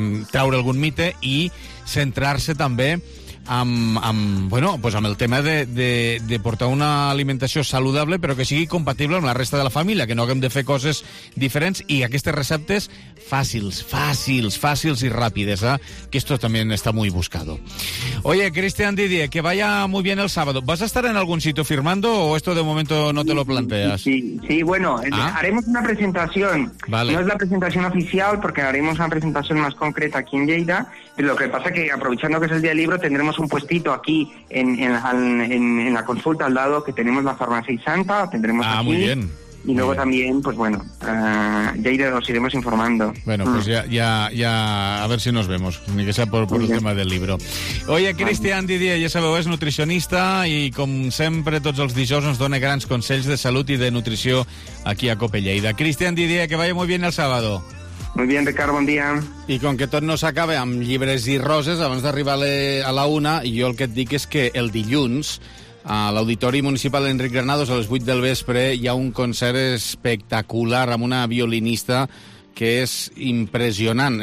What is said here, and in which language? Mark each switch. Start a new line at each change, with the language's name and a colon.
Catalan: treure algun mite i centrar-se també amb el tema de portar una alimentació saludable però que sigui compatible amb la resta de la família, que no haguem de fer coses diferents i aquestes receptes fàcils i ràpides, eh?
Spanish: Que esto también está muy buscado. Oye, Cristian Didier, que vaya muy bien el sábado. ¿Vas a estar en algún sitio firmando o esto de momento no te lo planteas? Sí, bueno. Haremos una presentación. Vale. No es la presentación oficial porque haremos una presentación más concreta aquí en Lleida. Pero lo que pasa es que aprovechando que es el día del libro, tendremos un puestito aquí en la consulta al lado que tenemos la Farmacia Santa. Tendremos aquí. Muy bien. Y luego también, pues bueno, ya os iremos informando. Bueno, pues ya, a ver si nos vemos, ni que sea por el tema del libro.
Catalan: Oye, Cristian Didier, ja sabeu, és nutricionista i com sempre tots els dijous ens dona grans consells de salut i de nutrició aquí a Cope Lleida.
Spanish: Cristian Didier, que vaya muy bien el sábado. Muy bien, Ricardo,
Catalan: bon dia. I com que tot no s'acaba amb llibres i roses, abans d'arribar a la una, jo el que et dic és que el dilluns a l'Auditori Municipal Enric Granados, a les 8 del vespre, hi ha un concert espectacular amb una violinista que és impressionant.